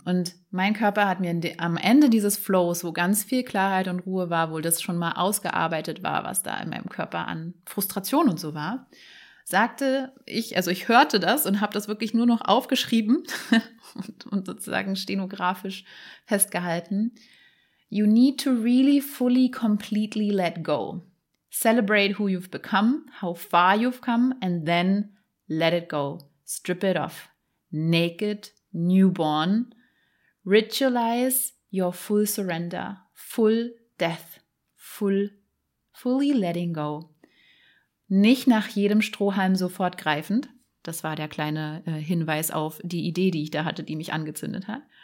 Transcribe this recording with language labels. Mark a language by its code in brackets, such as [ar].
[de] Und mein Körper hat mir am Ende dieses Flows, wo ganz viel Klarheit und Ruhe war, wo das schon mal ausgearbeitet war, was da in meinem Körper an Frustration und so war, sagte ich, also ich hörte das und habe das wirklich nur noch aufgeschrieben und sozusagen stenografisch festgehalten. [en] You need to really, fully, completely let go. Celebrate who you've become, how far you've come, and then let it go. Strip it off. Naked, newborn. Ritualize your full surrender, full death, fully letting go. [de] Nicht nach jedem Strohhalm sofort greifend. Das war der kleine Hinweis auf die Idee, die ich da hatte, die mich angezündet hat.